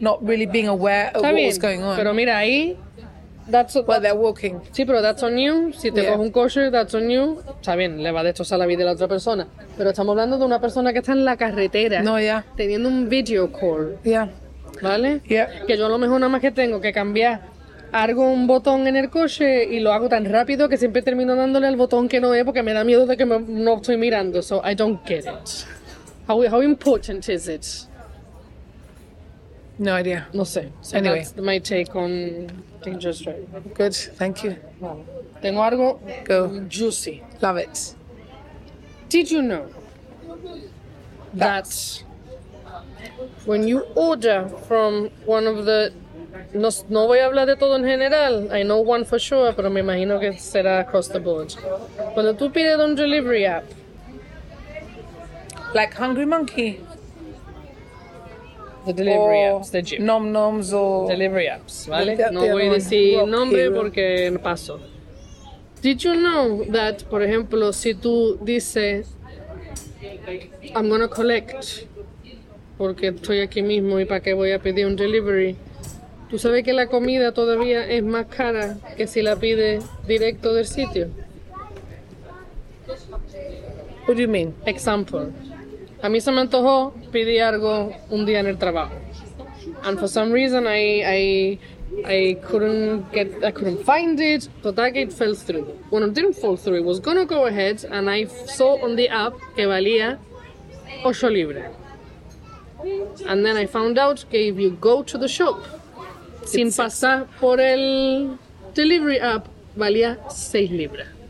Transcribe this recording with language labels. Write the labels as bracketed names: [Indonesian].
[English] Not really being aware of what was going on. [Spanish] Pero mira ahí... [English] They're walking. [Spanish] Sí, pero [English] that's on you. [Spanish] Si te coge un coche, [English] that's on you. [Spanish] Está bien, le va a destrozar la vida de la otra persona. Pero estamos hablando de una persona que está en la carretera. No, ya. Teniendo un video call. ¿Vale? Que yo a lo mejor nada más que tengo que cambiar algo, un botón en el coche, y lo hago tan rápido que siempre termino dándole al botón que no es porque me da miedo de que no estoy mirando. [English] So, I don't get it. How important is it? No idea. [Spanish] No sé. [English] So anyway. That's my take on... Dangerous drive. Good, thank you. [Spanish] Tengo algo. [English] Go. Juicy. Love it. Did you know that when you order from one of the... [Spanish] No voy a hablar de todo en general. [English] I know one for sure, [Spanish] pero me imagino que será [English] across the board. [Spanish] Cuando tú pides un delivery app... [English] Like Hungry Monkey. The delivery apps, the gym. Nom noms or... Delivery apps, [Spanish] ¿vale? No voy a decir nombre porque me paso. [English] Did you know that, [Spanish] por ejemplo, si tú dices, [English] I'm going to collect, [Spanish] porque estoy aquí mismo y para qué voy a pedir un delivery, tú sabes que la comida todavía es más cara que si la pides directo del sitio? [English] What do you mean? Example. [Spanish] A mí se me antojó pedir algo un día en el trabajo. [English] And for some reason I couldn't find it, but that it fell through. [Spanish] Bueno, [English] it didn't fall through, it was gonna go ahead, and I saw on the app [Spanish] que valía 8 libras. [English] And then I found out que if you go to the shop, [Spanish] sin pasar por el delivery app, valía 6 libras.